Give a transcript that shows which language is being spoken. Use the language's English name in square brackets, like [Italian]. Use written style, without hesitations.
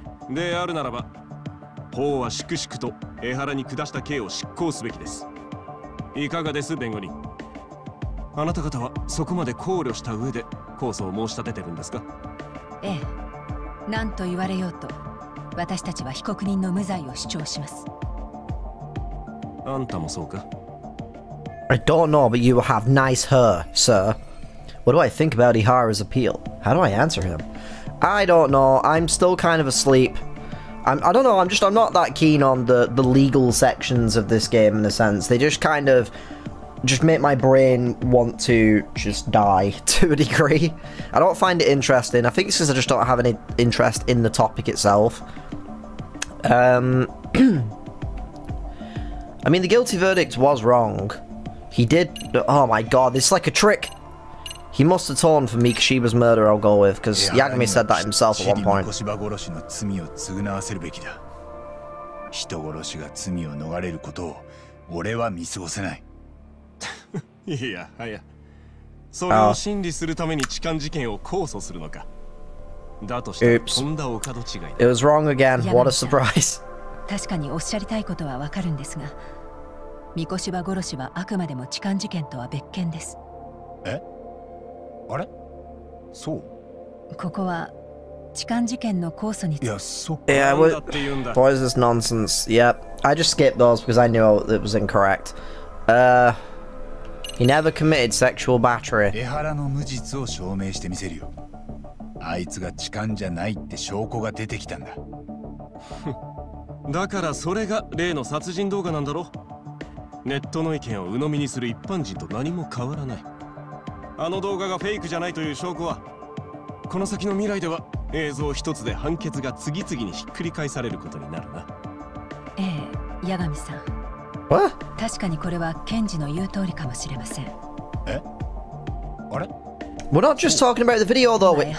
[Japanese] であるならば法は粛々と江原に下した刑を執行すべきです。いかがです弁護人、あなた方はそこまで考慮した上で控訴を申し立ててるんですか？ええ、何と言われようと私たちは被告人の無罪を主張します。あんたもそうか？ [English] I don't know, but you have nice hair, sir. What do I think about Ihara's appeal? How do I answer him? I don't know, I'm still kind of asleep. I'm not that keen on the legal sections of this game in a sense. They just kind of just make my brain want to just die to a degree. I don't find it interesting. I think it's because I just don't have any interest in the topic itself. I mean, the guilty verdict was wrong. He did... Oh my god, this is like a trick. He must have torn for Mikishiba's murder, I'll go with, because Yagami said that himself at one point. [Japanese] いや、はや。それを審理するために痴漢事件を控訴するのか。だとして、とんだお門違い [English] だ。It was wrong again. What a surprise. [Japanese] 確かにおっしゃりたいことはわかるんですが、ミコシバ殺しはあくまでも痴漢事件とは別件です。え？あれ？そう？ここは痴漢事件の控訴について。いや、そ [English] こは。Yeah, what is this nonsense? Yep. I just skipped those because I knew it was incorrect. He never committed sexual battery. [Japanese] エハラの無実を証明してみせるよ。あいつが痴漢じゃないって証拠が出てきたんだ。だからそれが例の殺人動画なんだろ。ネットの意見を鵜呑みにする一般人と何も変わらない。あの動画がフェイクじゃないという証拠は、この先の未来では映像一つで判決が次々にひっくり返されることになるな。ええ、八神さん。 [English] What? [Japanese] 確かにこれはケンジの言う通りかもしれません。え、あれ、 [English] We're not just talking about the video though.